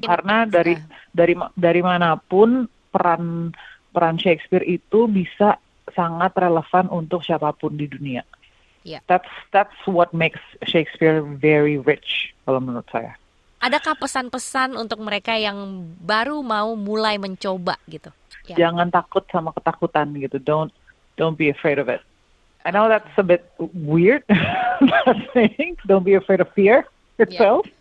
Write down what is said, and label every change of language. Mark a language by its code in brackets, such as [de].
[id] Karena dari manapun peran Shakespeare itu bisa sangat relevan untuk siapapun di dunia. [en] That's what makes Shakespeare very rich [id] kalau menurut saya. Adakah pesan-pesan untuk mereka yang baru mau mulai mencoba gitu? Jangan takut sama ketakutan gitu. [en] Don't be afraid of it. I know that's a bit weird saying. Don't be afraid of fear itself.